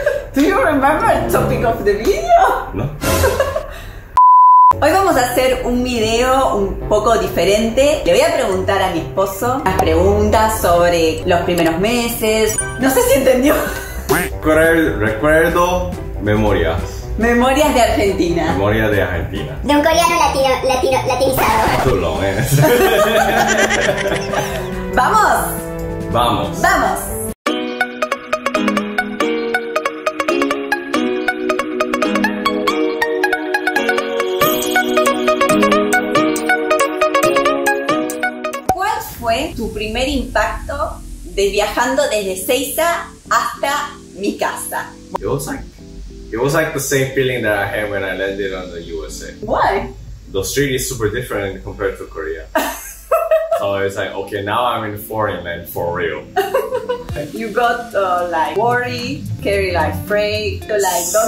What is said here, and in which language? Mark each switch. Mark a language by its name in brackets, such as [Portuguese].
[English] Do you remember the topic of the video? No. [Spanish] Hoy vamos a hacer un video un poco diferente. Le voy a preguntar a mi esposo las preguntas sobre los primeros meses. No sé si entendió. Recuerdo memorias. Memorias de Argentina. Memorias de Argentina. De un coreano latinizado. [English] Too long, [Spanish] ¿eh? ¡Vamos! ¡Vamos! ¡Vamos! ¿Cuál fue tu primer impacto de viajando desde Seiza hasta mi casa? [English] It was like the same feeling that I had when I landed on the USA. Why? The street is super different compared to Korea. So it's like, okay, now I'm in foreign land for real. You got like worry, carry like freight, like don't